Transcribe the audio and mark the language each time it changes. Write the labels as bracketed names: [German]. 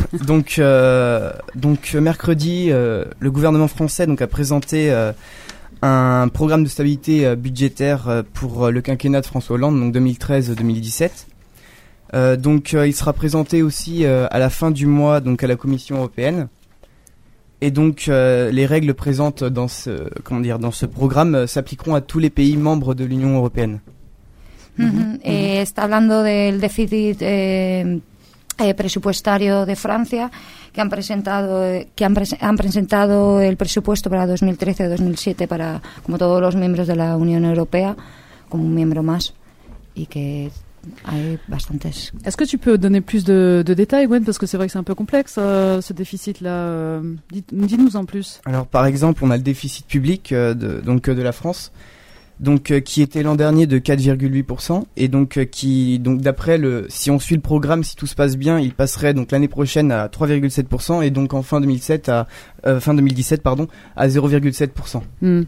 [French] Donc mercredi, le gouvernement français donc a présenté un programme de stabilité budgétaire pour le quinquennat de François Hollande, donc 2013-2017. Il sera présenté aussi à la fin du mois, donc à la Commission européenne. Et donc, les règles présentes dans ce programme s'appliqueront à tous les pays membres de l'Union européenne. [Spanish] Está hablando del déficit presupuestario de Francia, que han presentado el presupuesto para 2013-2017 para, como todos los miembros de la Unión Europea, como un miembro más, y que hay bastantes. [French] Est-ce que tu peux donner plus de détails, Gwen, parce que c'est vrai que c'est un peu complexe, ce déficit-là. Dis-nous en plus. Alors, par exemple, on a le déficit public de la France. Donc qui était l'an dernier de 4,8% et si on suit le programme, si tout se passe bien, il passerait donc l'année prochaine à 3,7% et donc en fin 2017 à 0,7%.